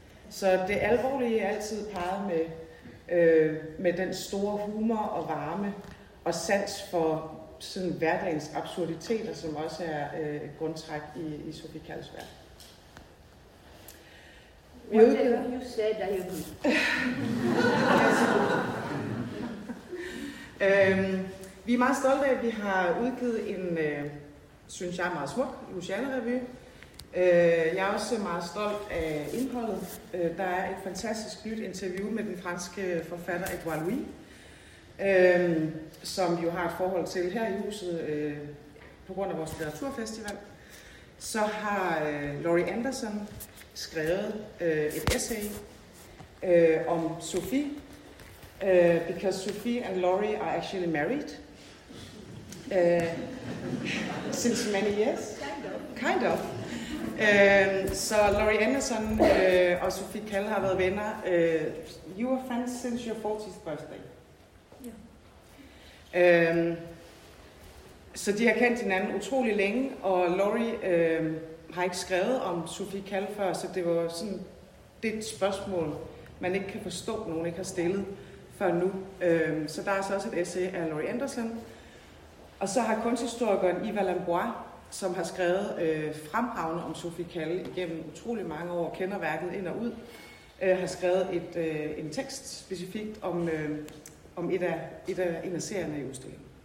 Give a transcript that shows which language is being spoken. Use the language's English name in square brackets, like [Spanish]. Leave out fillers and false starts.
[Danish] Så det alvorlige er altid peget med den store humor og varme og sans for sådan hverdagens absurditeter, som også er et grundtræk i Sofie Kalls værk. [English] Whatever you said, I agree. [Danish] Vi er meget stolte af, at vi har udgivet en, synes jeg, meget smuk Luciana-revue. Jeg er også meget stolt af indholdet. Der er et fantastisk nyt interview med den franske forfatter Edouard Louis, som jo har et forhold til her i huset på grund af vores litteraturfestival. Så har Laurie Anderson skrevet et essay om Sophie, [English] because Sophie and Laurie are actually married since many years. Kind of. [Danish] Så Laurie Anderson og Sophie Kalle har været venner. [English] You were friends since your 40th birthday. [Danish] Så de har kendt hinanden utrolig længe, og Laurie har ikke skrevet om Sophie Kalle før, så det var sådan det spørgsmål, man ikke kan forstå, nogen ikke har stillet før nu. Så der er så også et essay af Laurie Anderson. Og så har kunsthistorikeren Yves Lambois, som har skrevet fremragende om Sophie Kalle igennem utrolig mange år, kender værket ind og ud, har skrevet en tekst specifikt om, om en af serierne i udstillingen.